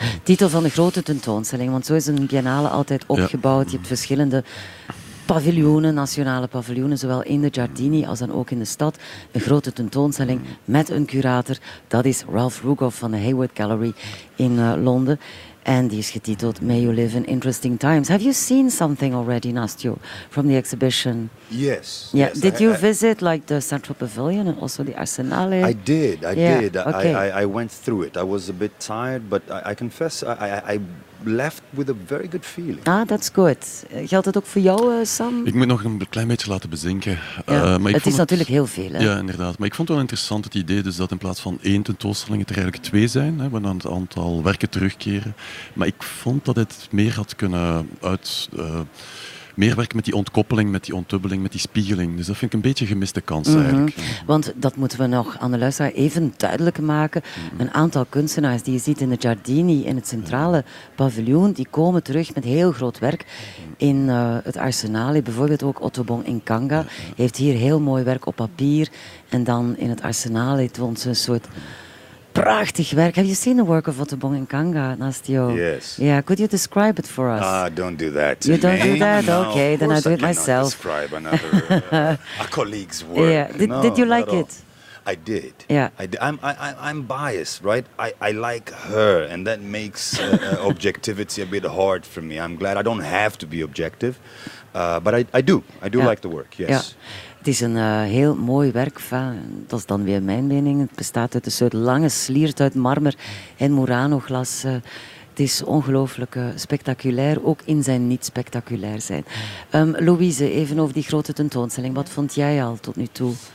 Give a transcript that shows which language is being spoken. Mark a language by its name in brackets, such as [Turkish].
[Dutch] Titel van de grote tentoonstelling, want zo is een biennale altijd opgebouwd. Ja. Je hebt verschillende... paviljoenen, nationale paviljoenen, zowel in de Giardini als dan ook in de stad. Een grote tentoonstelling met een curator, dat is Ralph Rugoff van de Hayward Gallery in Londen. En die is getiteld May You Live in Interesting Times. [English] Have you seen something already, Nastio, from the exhibition? Yes. Yeah. Yes, Did you visit like the Central Pavilion and also the Arsenale? I did. Okay. I went through it. I was a bit tired, but I confess, I left with a very good feeling. Ah, that's good. [Dutch] Geldt dat ook voor jou, Sam? Ik moet nog een klein beetje laten bezinken. Ja, maar het is natuurlijk heel veel, hè? Ja, inderdaad. Maar ik vond het wel interessant, het idee, dus dat in plaats van één tentoonstelling het er eigenlijk twee zijn, hè, waar dan het aantal werken terugkeren. Maar ik vond dat het meer had kunnen uit... meer werken met die ontkoppeling, met die ontdubbeling, met die spiegeling. Dus dat vind ik een beetje een gemiste kans eigenlijk. Mm-hmm. Want dat moeten we nog aan de luisteraar even duidelijk maken. Mm-hmm. Een aantal kunstenaars die je ziet in de Giardini, in het centrale paviljoen, die komen terug met heel groot werk in het Arsenale. Bijvoorbeeld ook Otto Bong in Kanga heeft hier heel mooi werk op papier. En dan in het Arsenale toont ze een soort... prachtig werk. [English] Have you seen the work of Otto Bong in Kanga, Nastio? Yes. Yeah, could you describe it for us? Ah, don't do that. You me? Don't do that? No, okay, then I do it myself. Describe another a colleague's work. Yeah. Did you like it? I did. Yeah. I'm biased, right? I like her, and that makes objectivity a bit hard for me. I'm glad I don't have to be objective. But I do like the work, yes. Yeah. [Dutch] Het is een heel mooi werk, dat is dan weer mijn mening. Het bestaat uit een soort lange sliert uit marmer en Murano-glas. Het is ongelooflijk spectaculair, ook in zijn niet-spectaculair zijn. Louise, even over die grote tentoonstelling. Wat vond jij al tot nu toe?